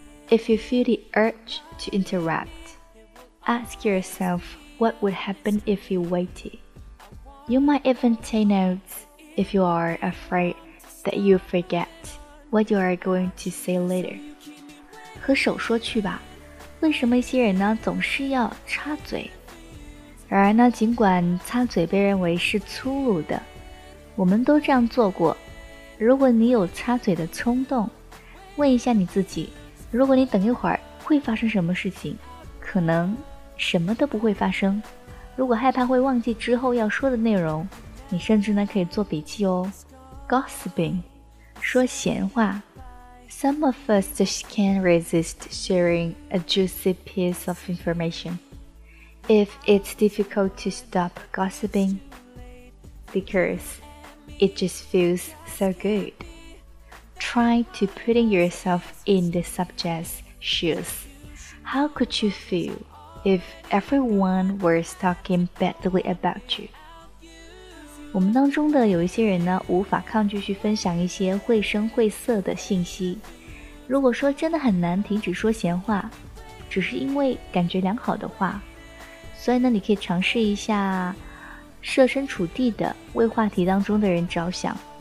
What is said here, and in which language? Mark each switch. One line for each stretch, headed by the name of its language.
English: If you feel the urge to interrupt, ask yourself what would happen if you waited. You might even take notes if you are afraid that you forget what you are going to say later.
Chinese: 和手说去吧，为什么一些人呢总是要插嘴？然而呢，尽管插嘴被认为是粗鲁的，我们都这样做过。如果你有插嘴的冲动，问一下你自己，如果你等一会儿会发生什么事情，可能什么都不会发生。如果害怕会忘记之后要说的内容，你甚至呢可以做笔记哦。
English: Gossiping,
Chinese: 说闲话。
English: Some of us just can't resist sharing a juicy piece of information. If it's difficult to stop gossiping, because it just feels so good. Try to putting yourself in the subject's shoes. How could you feel if everyone was talking badly about you?
Chinese: 我们当中的有一些人呢，无法抗拒去分享一些绘声绘色的信息。如果说真的很难停止说闲话，只是因为感觉良好的话，所以呢，你可以尝试一下设身处地的为话题当中的人着想。